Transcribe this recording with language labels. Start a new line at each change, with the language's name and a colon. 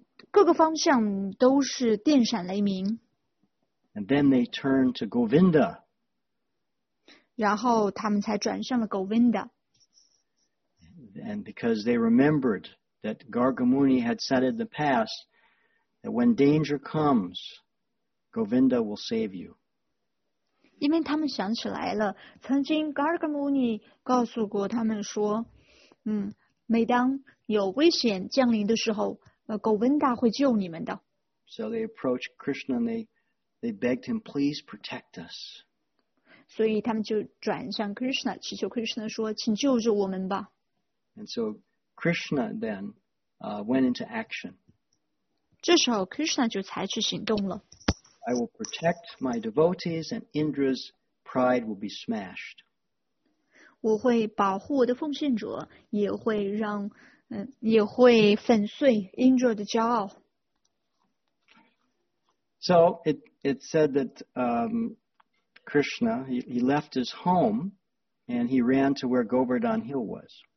Chinese: 各个方向都是电闪雷鸣。
English: And then they turned to Govinda.
Chinese: 然后他们才转向了 Govinda.
English: And because they remembered that Gargamuni had said in the past that when danger comes, Govinda will save you.
Chinese: 因为他们想起来了，曾经 Gargamuni 告诉过他们说，每当有危险降临的时候，Govinda 会救你们的。
English: So they approached Krishna and they begged him, please protect us.
Chinese: 所以他们就转向 Krishna， 祈求 Krishna 说，请救救我们吧。
English: And so Krishna then, went into action.
Chinese: 这时候 Krishna 就采取行动了。
English: I will protect my devotees and Indra's pride will be smashed.
Chinese: 我会保护我的奉献者，也会让，也会粉碎 Indra 的骄傲。
English: So it said that Krishna, he left his home and he ran to where Govardhan Hill was.